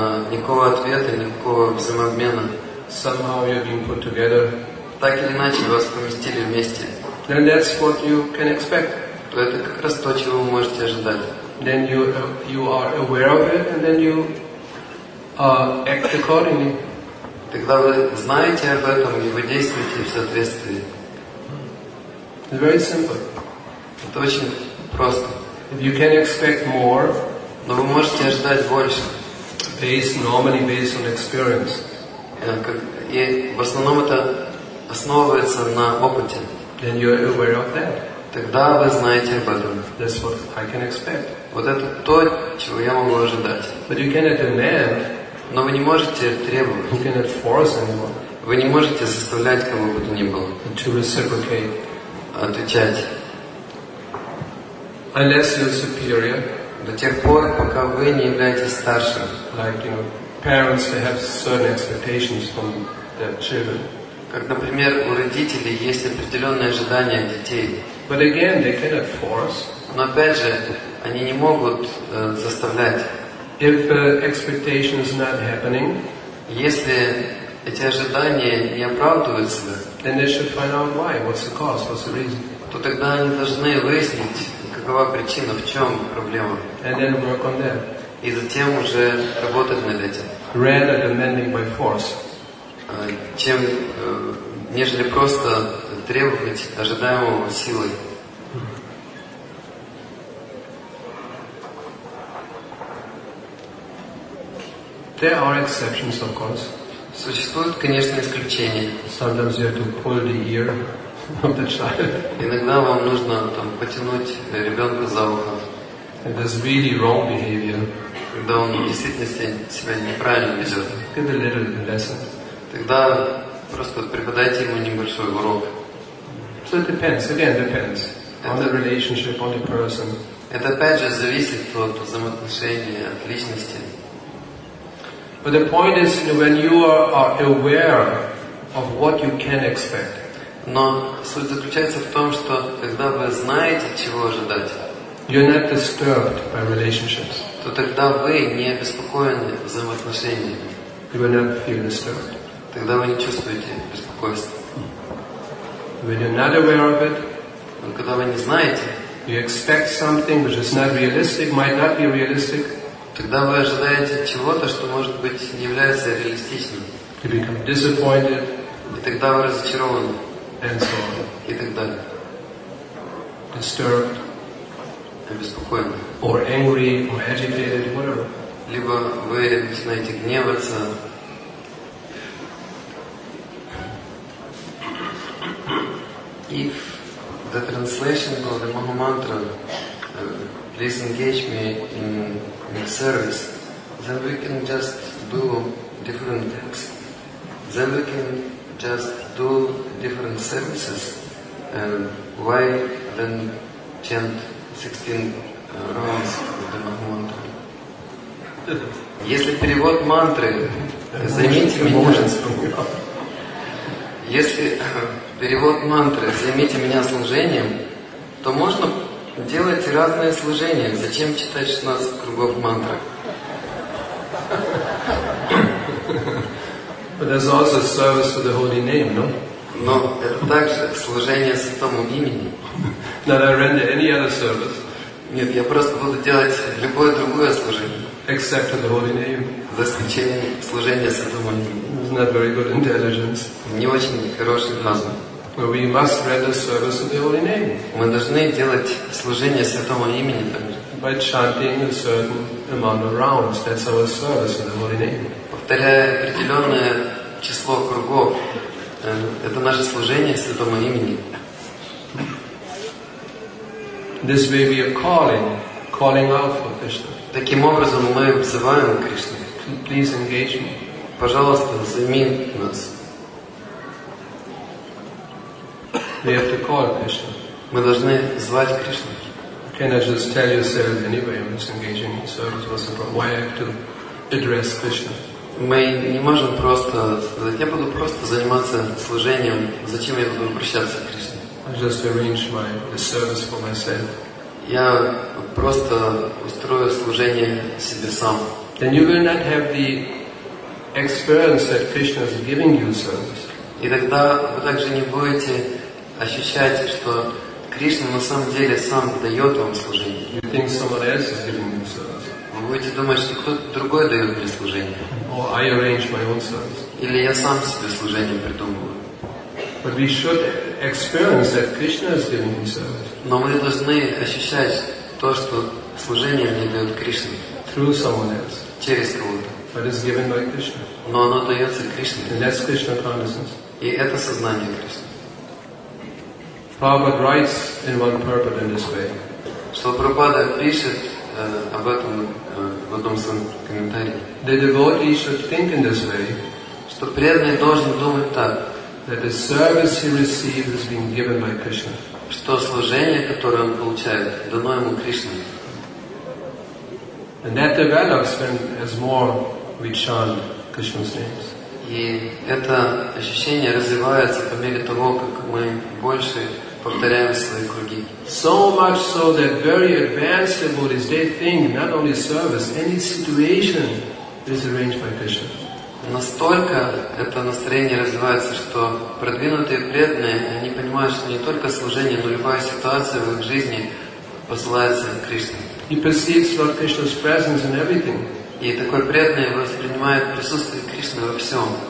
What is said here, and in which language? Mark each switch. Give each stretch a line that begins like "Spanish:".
Russian: никакого ответа, никакого взаимообмена,
English: somehow you're being put together,
Russian: так или иначе вас поместили вместе,
English: then that's what you can expect.
Russian: То это как раз то, чего вы можете ожидать.
English: Then you are aware of it, and then you act accordingly.
Russian: Тогда вы знаете об этом и вы действуете в соответствии.
English: It's very simple.
Russian: Это очень просто.
English: If you can expect more,
Russian: но вы можете ожидать больше.
English: Based normally based on experience.
Russian: И в основном это основывается на опыте.
English: Then you're aware of that.
Russian: Тогда вы знаете об этом.
English: That's what I can expect.
Russian: Вот это то, чего я могу ожидать.
English: But you cannot demand.
Russian: Но вы не можете требовать.
English: You cannot force anyone.
Russian: Вы не можете заставлять кого бы то ни было.
English: To reciprocate.
Russian: Отвечать.
English: Unless you're superior,
Russian: до тех пор, пока вы не являетесь старшим.
English: Like, you know, parents, they have certain expectations from their children.
Russian: Как, например, у родителей есть определенные ожидания от детей.
English: But again, they cannot force.
Russian: Но опять же, они не могут заставлять.
English: If the expectation is not happening,
Russian: если эти ожидания не оправдываются,
English: then they should find out why, what's the cause, what's the reason.
Russian: То тогда они должны выяснить, какова причина, в чем проблема.
English: And then work on that.
Russian: И затем уже работать над этим.
English: Rather than demanding by force.
Russian: Чем, нежели просто требовать ожидаемого силой.
English: There are exceptions, of course.
Russian: Существуют, конечно, исключения.
English: Sometimes you have to pull the ear of the child.
Russian: Иногда вам нужно там потянуть ребенка за ухо.
English: And that's really wrong behavior.
Russian: Когда он в действительности себя неправильно ведет.
English: Give a little lesson.
Russian: Тогда Просто преподайте ему небольшой урок.
English: So it depends, again depends. On the relationship, on the person.
Russian: Это опять же зависит от взаимоотношений, от личности.
English: But the point is, you know, when you are aware of what you can expect.
Russian: Но суть заключается в том, что когда вы знаете, чего ожидать,
English: you're not disturbed by relationships.
Russian: То тогда вы не обеспокоены взаимоотношениями.
English: You will not feel disturbed.
Russian: Тогда вы не чувствуете беспокойства.
English: When you're not aware of it,
Russian: но когда вы не знаете,
English: you expect something which is not realistic, might not be realistic.
Russian: Тогда вы ожидаете чего-то, что, может быть, не является реалистичным.
English: You become disappointed.
Russian: И тогда вы разочарованы.
English: And so on.
Russian: И так далее.
English: Disturbed.
Russian: Обеспокоены.
English: Or angry, or agitated, whatever.
Russian: Либо вы начинаете гневаться.
English: If the translation of the Maha Mantra, please engage me in the service, then we can just do different things. Then we can just do different services. Why then chant 16 rounds of the Maha Mantra?
Russian: Если перевод мантры, займите меня. Если перевод мантры, займите меня служением, то можно делать разные служения. Зачем читать 16 кругов мантры?
English: But there's also service for the holy name, no?
Russian: Но это также служение святому имени.
English: That I render any other service.
Russian: Нет, я просто буду делать любое другое служение.
English: Except for the holy name.
Russian: За исключением служения святому имени.
English: It's not very good intelligence.
Russian: Не очень хороший разум.
English: But we must render service to the holy name.
Russian: Мы должны делать служение святому имени также.
English: By chanting a certain amount of rounds, that's our service to the holy name.
Russian: Повторяя определенное число кругов, это наше служение святому имени.
English: This way we are calling, calling out for Krishna.
Russian: Таким образом мы взываем Кришну.
English: Please engage me.
Russian: Пожалуйста, займи нас.
English: We have to call Krishna.
Russian: Мы должны звать Кришну.
English: Can I just tell you service anyway? I'm just engaging in service. What's the problem? Why I have to address Krishna?
Russian: Мы не можем просто. Я буду просто заниматься служением. Зачем я буду обращаться к Кришне?
English: I just arrange my service for myself.
Russian: Я просто устрою служение себе сам.
English: Then you will not have the experience that Krishna is giving you service.
Russian: И тогда вы также не будете ощущать, что Кришна на самом деле сам дает вам служение.
English: You think someone else is giving you service.
Russian: Вы будете думать, что кто-то другой дает мне служение.
English: Or I arrange my own service.
Russian: Или я сам себе служение придумываю.
English: But we should experience that Krishna is giving you service.
Russian: Но мы должны ощущать то, что служение мне дает Кришна.
English: Through someone else.
Russian: Через кого-то.
English: But it's given by Krishna.
Russian: Но оно дается Кришне.
English: And that's Krishna consciousness.
Russian: И это сознание Кришны.
English: Prabhupada writes in one purport in this way.
Russian: Что Прабхупада пишет об этом в одном своем комментарии.
English: The devotee should think in this way.
Russian: Что преданный должен думать так.
English: That the service he receives is being given by Krishna.
Russian: Что служение, которое он получает, дано ему Кришной.
English: And that develops when as more we chant Krishna's names.
Russian: И это ощущение развивается по мере того, как мы больше повторяем свои круги.
English: So much so that very advanced devotees, they think not only service, any situation is arranged by Krishna.
Russian: Настолько это настроение развивается, что продвинутые преданные, они понимают, что не только служение, но и любая ситуация в их жизни посылается Кришне.
English: He perceives Lord Krishna's presence in everything.
Russian: И такой преданный воспринимает присутствие Кришны во всем.